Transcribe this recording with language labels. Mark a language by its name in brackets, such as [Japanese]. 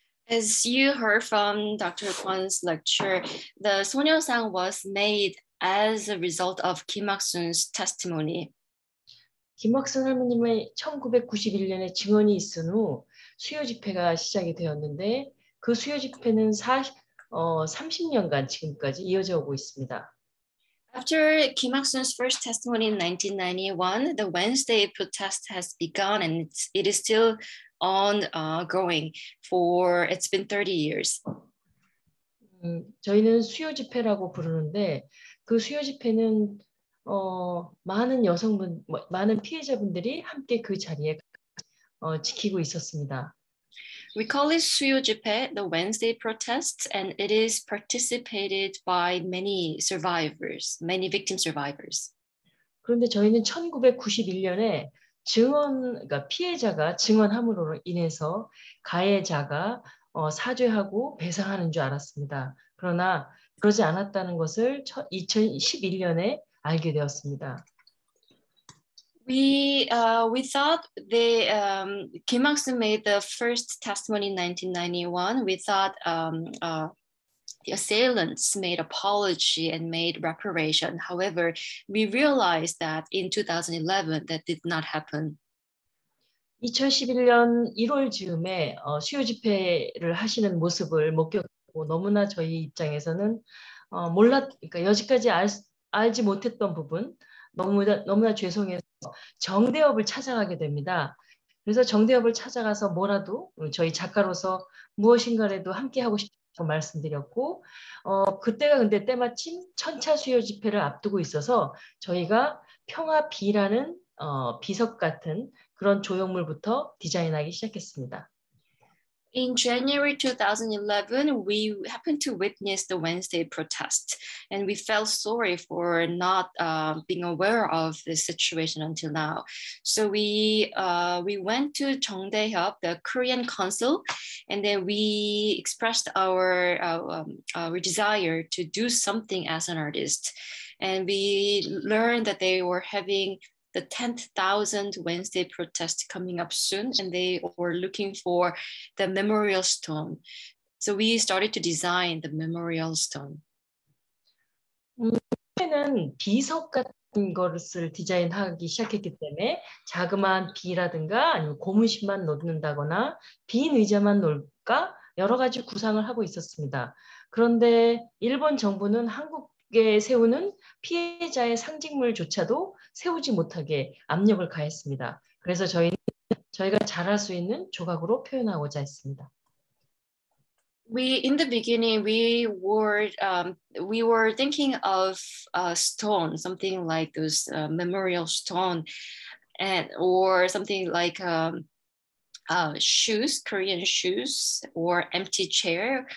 [English] As you heard from Dr. Kwon's lecture, the Sonyeosang was made as a result of Kim Hak-soon's testimony. [Korean] Kim Hak-soon 할머님의 1991년에 증언이 있은 후 수요 집회가 시작이 되었는데 그 수요 집회는 30년간 지금까지 이어져 오고 있습니다. [English] After Kim Hak-soon's first testimony in 1991, the Wednesday protest has begun and it is still ongoing for it's been 30 years. [Korean] 저희는 수요 집회라고 부르는데 그 수요 집회는 많은 여성분 많은 피해자분들이 함께 그 자리에 지키고 있었습니다. [English] We call it 수요 집회, the Wednesday protests, and it is participated by many survivors, many victim survivors. [Korean] 그런데 저희는 1991년에 증언, 그러니까 피해자가 증언함으로 인해서 가해자가 사죄하고 배상하는 줄 알았습니다. 그러나 그러지 않았다는 것을 2011년에 알게 되었습니다. [English] We thought the Kim Hak-soon made the first testimony in 1991. We thought the assailants made apology and made reparation. However, we realized that in 2011 that did not happen. [Korean] 2011년 1월 즈음에 수요 집회를 하시는 모습을 목격하고 너무나 저희 입장에서는 그러니까 여지까지 알지 못했던 부분 너무나 죄송해서 정대협을 찾아가게 됩니다. 그래서 정대협을 찾아가서 뭐라도 저희 작가로서 무엇인가라도 함께 하고 싶다고 말씀드렸고 그때가 근데 때마침 천차 수요 집회를 앞두고 있어서 저희가 평화비라는 비석 같은 그런 조형물부터 디자인하기 시작했습니다. [English] In January 2011, we happened to witness the Wednesday protest, and we felt sorry for not being aware of the situation until now. So we went to Jeongdaehyeop, the Korean consul, and then we expressed our desire to do something as an artist. And we learned that they were having the 10,000 Wednesday protest coming up soon, and they were looking for the memorial stone. So we started to design the memorial stone. [Korean] 처음에는 비석 같은 것을 디자인하기 시작했기 때문에 자그마한 비라든가 아니면 고무신만 놓는다거나 빈 의자만 놓을까 여러 가지 구상을 하고 있었습니다. 그런데 일본 정부는 한국에 세우는 피해자의 상징물조차도 세우지 못하게 압력을 가했습니다. 그래서 저희가 잘할 수 있는 조각으로 표현하고자 했습니다. [English] In the beginning, we were thinking of a stone, something like those memorial stone, and or something like shoes, Korean shoes, or empty chair.